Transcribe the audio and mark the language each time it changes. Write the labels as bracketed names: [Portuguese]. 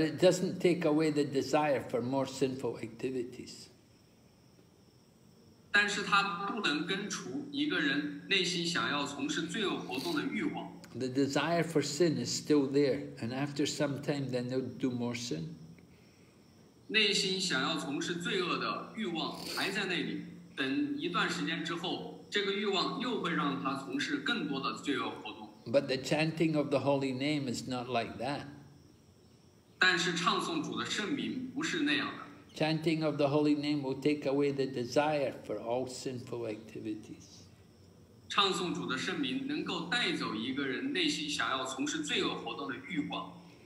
[English] it doesn't take away the desire for more sinful activities. [Chinese] 但是它不能根除一个人内心想要从事罪恶活动的欲望。 [English] The desire for sin is still there, and after some time, then they'll do more sin. [Chinese] 内心想要从事罪恶的欲望还在那里，等一段时间之后，这个欲望又会让他从事更多的罪恶活动。 [English] But the chanting of the holy name is not like that. [Chinese] 但是唱诵主的圣名不是那样的。 [English] Chanting of the holy name will take away the desire for all sinful activities. [Chinese] 唱诵主的圣名能够带走一个人内心想要从事罪恶活动的欲望。